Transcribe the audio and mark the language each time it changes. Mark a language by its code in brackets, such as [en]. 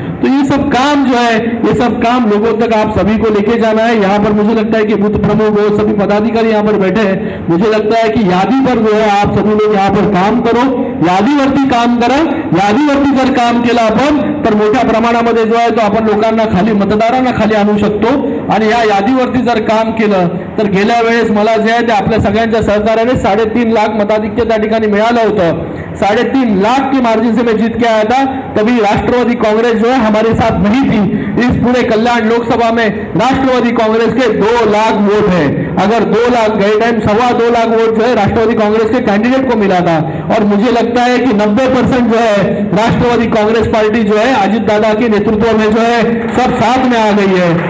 [hi] तो ये सब काम जो है, ये सब काम लोगों तक आप सभी को लेके जाना है। यहाँ पर मुझे लगता है कि बूथ प्रमुख और सभी पदाधिकारी यहाँ पर बैठे हैं, मुझे लगता है कि यादी पर जो है आप सभी लोग यहाँ पर काम करो, [mr] यादीवरती काम करा, यादीवरती जर काम केला आपण तर मोठ्या प्रमाणामध्ये जो आहे तो आपण लोकांना खाली मतदारांना खाली आणू शकतो। आणि या यादीवरती जर काम केलं तर गेल्या वेळेस मला जे आहे ते आपल्या सगळ्यांच्या सहकार्याने [hi] 3.5 लाख मताधिक्य त्या ठिकाणी मिळालं होतं, 3.5 लाख की मार्जिन से मैं जीत के आया था। तभी राष्ट्रवादी कांग्रेस जो है हमारे साथ नहीं थी। इस पूरे कल्याण लोकसभा में राष्ट्रवादी कांग्रेस के 2 लाख वोट है। अगर 2 लाख गए टाइम 2.25 लाख वोट जो है राष्ट्रवादी कांग्रेस के कैंडिडेट को मिला था, और मुझे लगता है कि 90% जो है राष्ट्रवादी कांग्रेस पार्टी जो है अजीत दादा के नेतृत्व में जो है सब साथ में आ गई है।